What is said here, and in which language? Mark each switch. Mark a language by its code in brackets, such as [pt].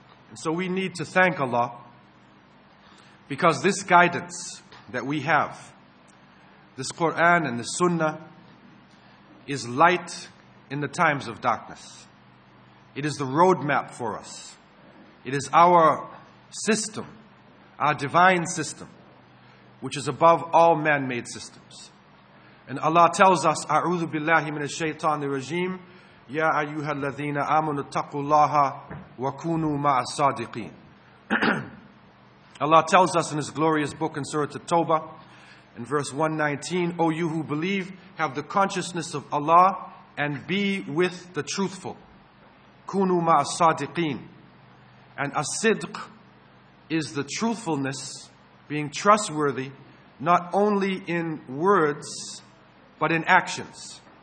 [en] And so we need to thank Allah, because this guidance that we have, this Quran and the sunnah, is light in the times of darkness. It is the roadmap for us. It is our system, our divine system, which is above all man-made systems. And Allah tells us, [ar] أعوذ بالله من الشيطان الرجيم يا أيها الذين آمنوا اتقوا الله وكونوا مع الصادقين. [en] Allah tells us in His glorious book in Surah At-Tawbah, in verse 119, O you who believe, have the consciousness of Allah and be with the truthful. [ar] كونوا مع الصادقين. [en] And as-sidq is the truthfulness, being trustworthy, not only in words, but in actions.